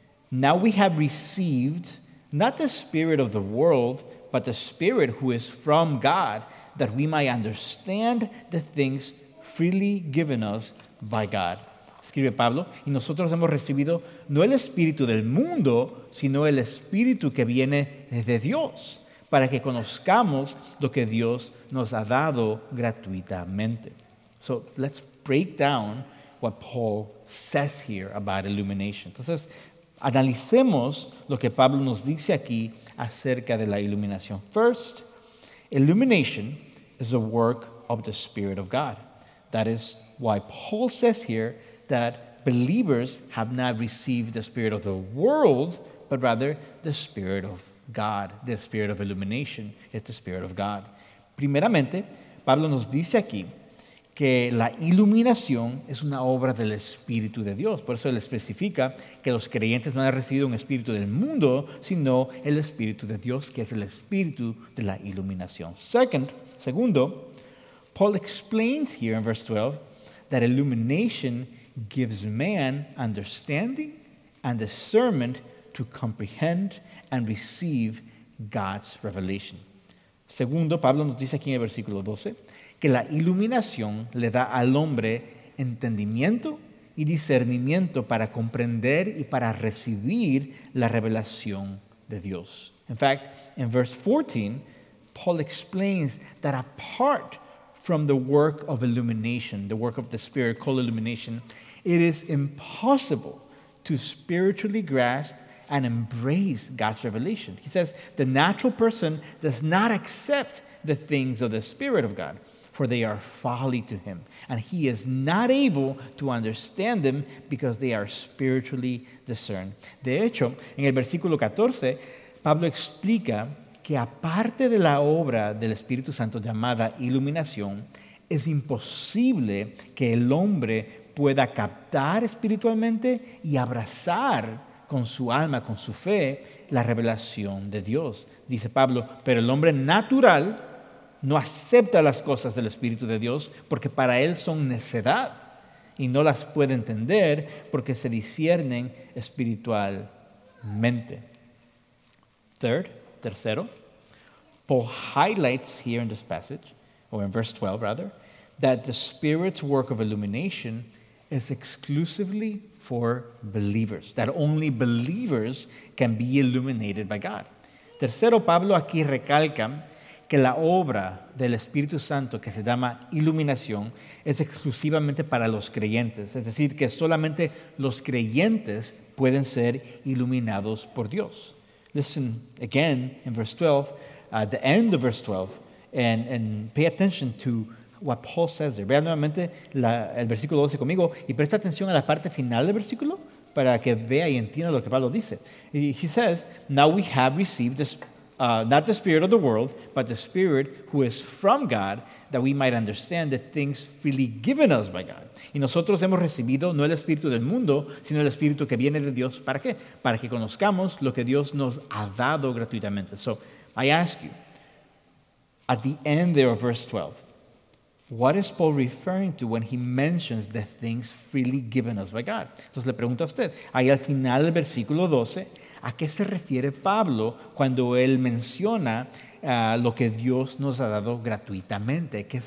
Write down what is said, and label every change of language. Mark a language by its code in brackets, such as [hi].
[en] Now we have received not the spirit of the world, but the Spirit who is from God, that we might understand the things freely given us by God. [es] Escribe Pablo, y nosotros hemos recibido no el Espíritu del mundo, sino el Espíritu que viene de Dios, para que conozcamos lo que Dios nos ha dado gratuitamente. [en] So, let's break down what Paul says here about illumination. [es] Entonces, analicemos lo que Pablo nos dice aquí acerca de la iluminación. [en] First, illumination is the work of the Spirit of God. That is why Paul says here that believers have not received the spirit of the world, but rather the Spirit of God. The Spirit of illumination is the Spirit of God. [es] Primeramente, Pablo nos dice aquí que la iluminación es una obra del Espíritu de Dios. Por eso él especifica que los creyentes no han recibido un espíritu del mundo, sino el Espíritu de Dios, que es el Espíritu de la iluminación. Segundo, [en] Paul explains here in verse 12 that illumination gives man understanding and discernment to comprehend and receive God's revelation. [es] Segundo, Pablo nos dice aquí en el versículo 12, que la iluminación le da al hombre entendimiento y discernimiento para comprender y para recibir la revelación de Dios. [en] In fact, in verse 14, Paul explains that apart from the work of illumination, the work of the Spirit called illumination, it is impossible to spiritually grasp and embrace God's revelation. He says, the natural person does not accept the things of the Spirit of God, for they are folly to him, and he is not able to understand them because they are spiritually discerned. [es] De hecho, en el versículo 14, Pablo explica que aparte de la obra del Espíritu Santo llamada iluminación, es imposible que el hombre pueda captar espiritualmente y abrazar con su alma, con su fe, la revelación de Dios. Dice Pablo, pero el hombre natural no acepta las cosas del Espíritu de Dios porque para él son necedad y no las puede entender porque se disciernen espiritualmente. Tercero, [en] Paul highlights here in this passage, or in verse 12 rather, that the Spirit's work of illumination is exclusively for believers, that only believers can be illuminated by God. [es] Tercero, Pablo aquí recalca que la obra del Espíritu Santo, que se llama iluminación, es exclusivamente para los creyentes. Es decir, que solamente los creyentes pueden ser iluminados por Dios. [en] Listen again in verse 12, at the end of verse 12, and pay attention to what Paul says there. [es] Vean nuevamente el versículo 12 conmigo y presta atención a la parte final del versículo para que vea y entienda lo que Pablo dice. [en] He says, now we have received this, not the spirit of the world, but the spirit who is from God, that we might understand the things freely given us by God. [es] Y nosotros hemos recibido no el espíritu del mundo, sino el espíritu que viene de Dios. ¿Para qué? Para que conozcamos lo que Dios nos ha dado gratuitamente. [en] So, I ask you, at the end there of verse 12, what is Paul referring to when he mentions the things freely given us by God? [es] Entonces le pregunto a usted, ahí al final del versículo 12, ¿a qué se refiere Pablo cuando él menciona lo que Dios nos ha dado gratuitamente?